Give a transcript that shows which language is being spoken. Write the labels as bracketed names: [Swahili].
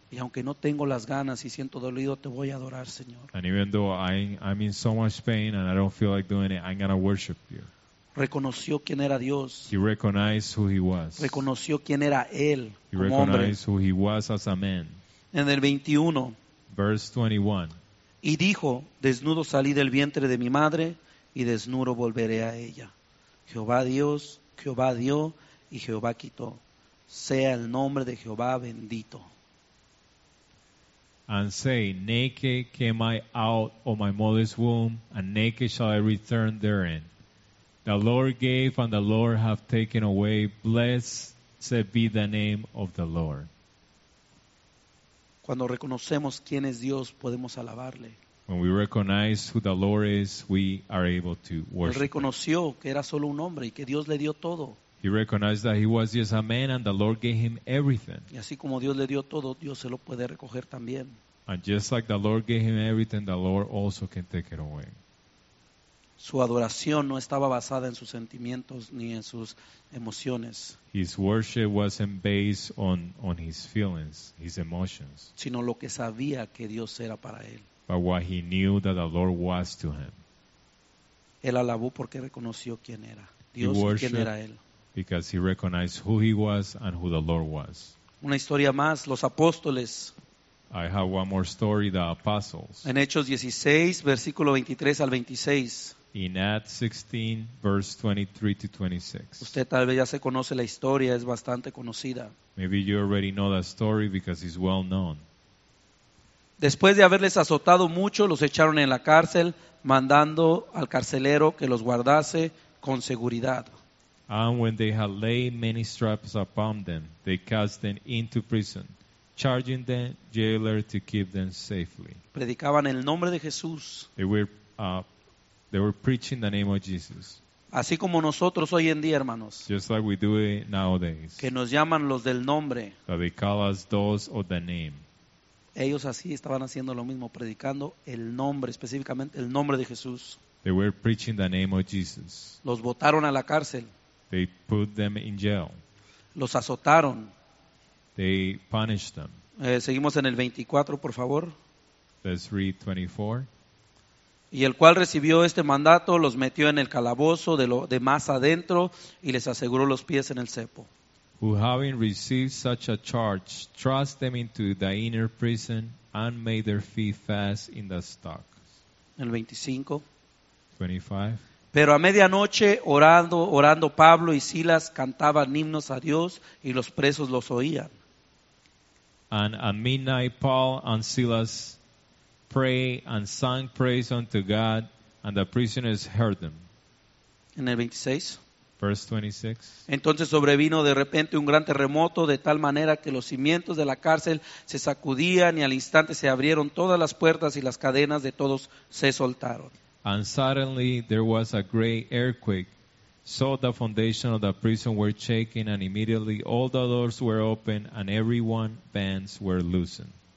[Spanish] Y aunque no tengo las ganas y siento dolido, te voy a adorar, Señor. [English] And even though I'm in so much pain and I don't feel like doing it, I'm gonna worship you. [Spanish] Reconoció quién era Dios. [English] He recognized who he was. [Spanish] Reconoció quién era él. [English] He recognized who he was as a man. [Spanish] En el 21. [English] Verse 21. [Spanish] Y dijo, desnudo salí del vientre de mi madre y desnudo volveré a ella. Jehová Dios, Jehová dio y Jehová quitó. Sea el nombre de Jehová bendito. [English] And say, naked came I out of my mother's womb and naked shall I return therein. The Lord gave and the Lord hath taken away. Blessed be the name of the Lord. [Spanish] Cuando reconocemos quién es Dios, podemos alabarle. [English] When we recognize who the Lord is, we are able to worship. [Spanish] Él reconoció que era solo un hombre y que Dios le dio todo. [English] He recognized that he was just a man and the Lord gave him everything. [Spanish] Y así como Dios le dio todo, Dios se lo puede recoger también. [English] And just like the Lord gave him everything, the Lord also can take it away. [Spanish] Su adoración no estaba basada en sus sentimientos ni en sus emociones. [English] His worship wasn't based on his feelings, his emotions. [Spanish] Sino lo que sabía que Dios era para él. [English] But what he knew that the Lord was to him. [Spanish] Él alabó porque reconoció quién era Dios y quién era él. [English] Because he recognized who he was and who the Lord was. [Spanish] Una historia más, los apóstoles. [English] I have one more story, the apostles. [Spanish] En Hechos 16, versículo 23 al 26. [English] In Acts 16, verse 23 to 26. [Spanish] Usted tal vez ya se conoce la historia, es bastante conocida. [English] Maybe you already know that story because it's well known. [Spanish] Después de haberles azotado mucho, los echaron en la cárcel, mandando al carcelero que los guardase con seguridad. [English] And when they had laid many stripes upon them, they cast them into prison, charging the jailer to keep them safely. [Spanish] Predicaban el nombre de Jesús. [English] They were preaching the name of Jesus. [Spanish] Así como nosotros hoy en día, hermanos. [English] Just like we do it nowadays. [Spanish] Que nos llaman los del nombre. [English] That they call us those of the name. [Spanish] Ellos así estaban haciendo lo mismo, predicando el nombre, específicamente el nombre de Jesús. [English] They were preaching the name of Jesus. [Spanish] Los botaron a la cárcel. [English] They put them in jail. [Spanish] Los azotaron. [English] They punished them. [Spanish] Seguimos en el 24, por favor. [English] Let's read 24. [Spanish] Y el cual recibió este mandato, los metió en el calabozo de más adentro y les aseguró los pies en el cepo. [English] Who having received such a charge, thrust them into the inner prison and made their feet fast in the stocks. [Spanish] El 25. [English] 25. [Spanish] Pero a medianoche, orando Pablo y Silas cantaban himnos a Dios y los presos los oían. [English] And at midnight, Paul and Silas prayed and sang praise unto God, and the prisoners heard them. [Spanish] En el 26. [English] Verse 26. [Spanish] Entonces sobrevino de repente un gran terremoto, de tal manera que los cimientos de la cárcel se sacudían y al instante se abrieron todas las puertas y las cadenas de todos se soltaron. [English] And suddenly there was a great earthquake, so the foundation of the prison were shaken, and immediately all the doors were open, and everyone's bands were loosened.